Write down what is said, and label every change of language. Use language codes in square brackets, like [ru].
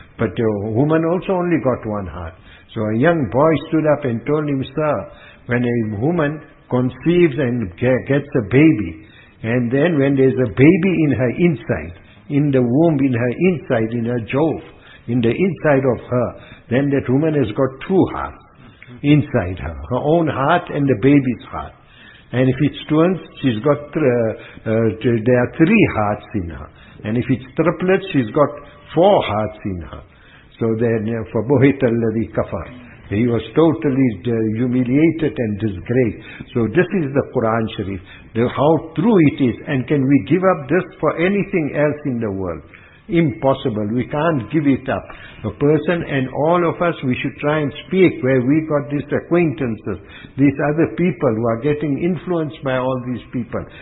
[en] But the woman also only got one heart. So a young boy stood up and told him, sir, when a woman conceives and gets a baby, and then when there's a baby in her inside, in the womb, in her inside, in her jaw, in the inside of her, then that woman has got two hearts inside her, her own heart and the baby's heart. And if it's twins, she's got, there are three hearts in her. And if it's triplets, she's got four hearts in her. So then, [ar] فَبُهِتَ الَّذِي كَفَرَ. [en] He was totally humiliated and disgraced. So this is the Quran Sharif. How true it is. And can we give up this for anything else in the world? Impossible. We can't give it up. A person and all of us, we should try and speak where we got these acquaintances, these other people who are getting influenced by all these people.